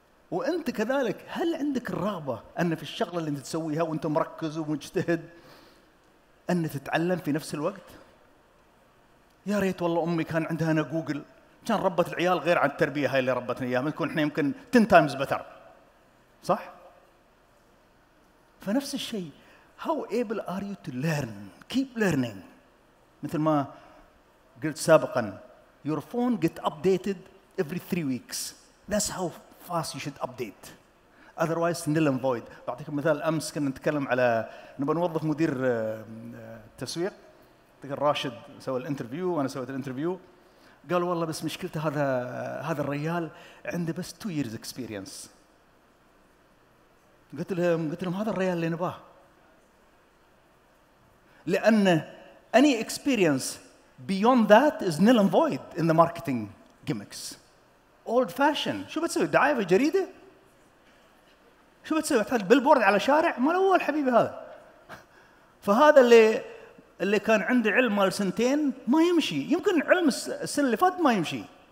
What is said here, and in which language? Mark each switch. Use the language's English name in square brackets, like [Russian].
[Arabic] وانت كذلك هل عندك الرغبة ان في الشغلة اللي انت تسويها وانت مركز ومجتهد ان تتعلم في نفس الوقت؟ يا ريت والله امي كان عندها انا جوجل كان ربت العيال غير عن التربية هاي اللي ربتنا إياها. نكون إحنا يمكن [English] 10 times better [Arabic] صح؟ فنفس الشيء [English] How able are you to learn? Keep learning. [Arabic] مثل ما قلت سابقا [English] Your phone get updated every 3 weeks. That's how fast you should update. Otherwise null and void. [Arabic] بعطيكم مثال. أمس كنا نتكلم على نبغى نوظف مدير تسويق. تقول راشد سوى الانترفيو وأنا سويت الانترفيو. قال والله بس مشكلته هذا الريال عنده بس [English] 2 years experience. [Arabic] قلت لهم هذا الريال اللي نباه لأن [English] any experience beyond that is null and void in the marketing gimmicks. Old fashion. [Arabic] شو بتسوي دعاية في جريدة؟ شو بتسوي تحط بالبورد على شارع؟ ما الأول حبيبي هذا. فهذا اللي كان عنده علم مال سنتين ما يمشي. يمكن علم السنة اللي فات ما يمشي.